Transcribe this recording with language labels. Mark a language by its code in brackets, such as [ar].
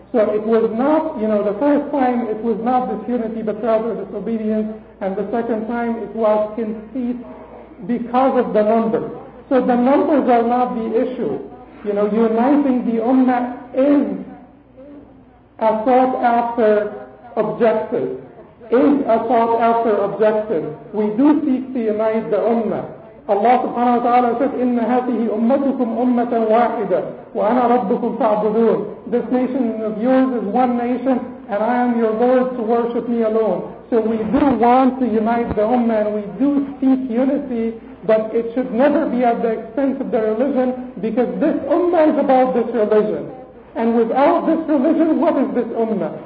[en] So it was not, you know, the first time it was not disunity but rather disobedience, and the second time it was conceit because of the numbers. So the numbers are not the issue. You know, uniting the ummah is a sought after objective. Is a sought after objective. We do seek to unite the ummah. Allah subhanahu wa ta'ala said, [ar] إِنَّ هَذِهِ أُمَّتُكُمْ أُمَّةً وَاحِدًا وَأَنَا رَبُّكُمْ فَعْبُدُونَ. [en] This nation of yours is one nation, and I am your Lord, to worship me alone. So we do want to unite the ummah, and we do seek unity, but it should never be at the expense of the religion, because this ummah is about this religion. And without this religion, what is this ummah?